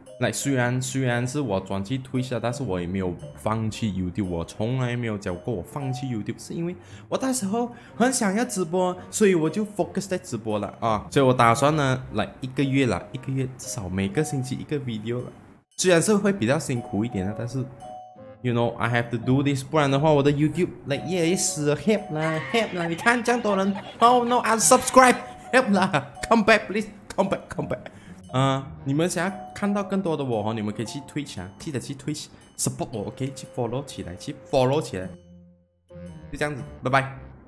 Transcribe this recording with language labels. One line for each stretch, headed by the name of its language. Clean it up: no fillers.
Chinese: 来，虽然是我转去 Twitch 了，但是我也没有放弃 YouTube， 我从来没有讲过我放弃 YouTube， 是因为我那时候很想要直播，所以我就 focus 在直播了啊，所以我打算呢来一个月了，一个月至少每个星期一个 video 了，虽然是会比较辛苦一点的，但是。
English: You know, I have to do this.
Chinese: 不然的话，我的
English: YouTube like yeah, it's help lah, help lah.
Chinese: 你看这样多人
English: ，Oh no, unsubscribe, help lah. Come back, please. Come back.
Chinese: 你们想要看到更多的我哈，你们可以去 Twitch 啊，记得去 Twitch support 我 ，OK? 去 follow 起来，就这样子，拜拜。